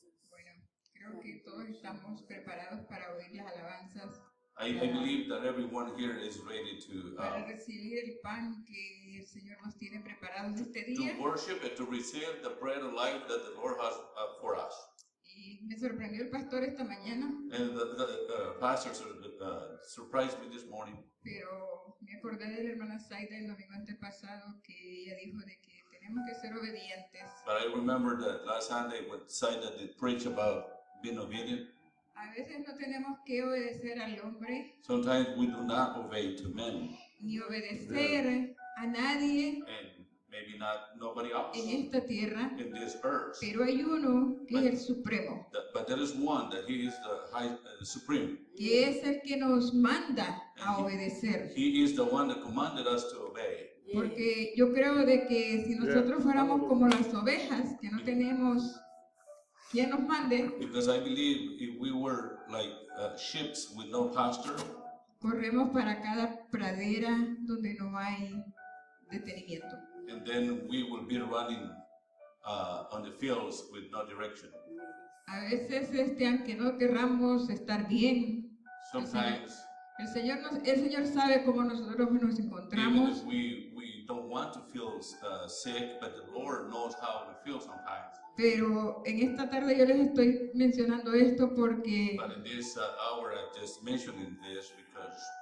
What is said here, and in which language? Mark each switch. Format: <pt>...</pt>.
<es>Bueno, creo que todos estamos preparados para oír las alabanzas.</es> <en>I believe that everyone here is ready to</en> <es>para recibir el pan que el Señor nos tiene preparado este día.</es> <en>To worship and to receive the bread of life that the Lord has for us.</en> <es>Y me sorprendió el pastor esta mañana.</es> <en>And the pastor surprised me this morning.</en> <es>Pero me acordé de la hermana Zayda el domingo antepasado que ella dijo de que tenemos que ser obedientes.</es> <en>But I remember that last Sunday when Zayda did preach about being obedient.</en> <es>A veces no tenemos que obedecer al hombre.</es> <en>Sometimes we do not obey to men.</en> <es>Ni obedecer a nadie.</es> <en>And maybe not nobody else</en> <es>en esta tierra,</es> <en>in this earth.</en> <es>Pero hay uno que es el supremo.</es> <en>But there is one that he is the high, supreme.</en> <es>Que es el que nos manda a obedecer.</es> <en>He is the one that commanded us to obey.</en> <es>Porque yo creo de que si nosotros fuéramos como las ovejas, que no tenemos quien nos mande.</es> <en>Because I believe if we were like sheep with no pastor.</en> <es>Corremos para cada pradera donde no hay detenimiento.</es> <en>And then we will be running on the fields with no direction.</en> <es>A veces, aunque no querramos estar bien,</es> <en>sometimes,</en> <es>el Señor sabe cómo nosotros nos encontramos.</es> <en>We don't want to feel sick, but the Lord knows how we feel sometimes.</en> <es>Pero en esta tarde yo les estoy mencionando esto porque.</es> <en>But in this hour, I'm just mentioning this because.</en>